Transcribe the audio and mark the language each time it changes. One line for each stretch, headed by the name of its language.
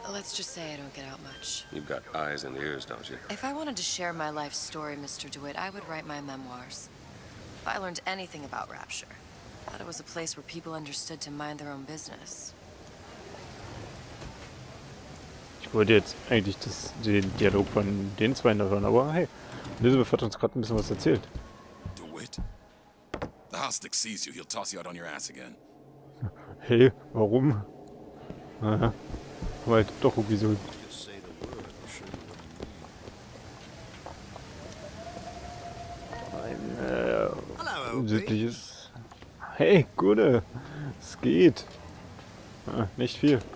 English: Let's just say I don't get out much. You've got eyes and ears, don't you? If I wanted to share my life story, Mr. DeWitt, I would write my memoirs. If I learned anything about Rapture, I thought it was a place where people understood to mind their own business.
German: Ich wollte jetzt eigentlich den Dialog von den zwei hören, aber hey, Elizabeth hat uns gerade ein bisschen was erzählt.
English: The Hostick sees you, he'll toss you out on your ass again.
German: Hey, warum? Naja, weil doch irgendwie so. Ein, sittliches. Hey, Gude! Es geht! Nicht viel.